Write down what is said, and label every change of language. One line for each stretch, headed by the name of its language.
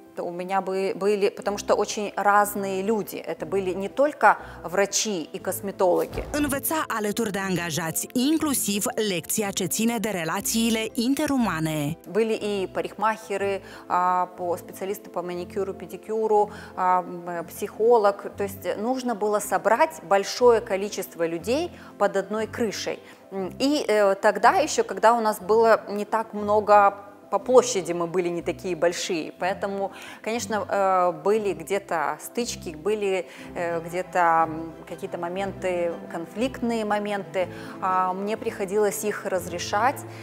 Russian: У меня были, потому что очень разные люди. Это были не только врачи и косметологи.
Romanian: Învăța alături de angajați, inclusiv lecția ce ține de relațiile interumane.
Russian: Были и парикмахеры, специалисты по маникюру, педикюру, психолог. То есть нужно было собрать большое количество людей под одной крышей. И тогда еще, когда у нас было не так много по площади, мы были не такие большие, поэтому, конечно, были где-то стычки, были где-то какие-то моменты, конфликтные моменты, мне приходилось их разрешать,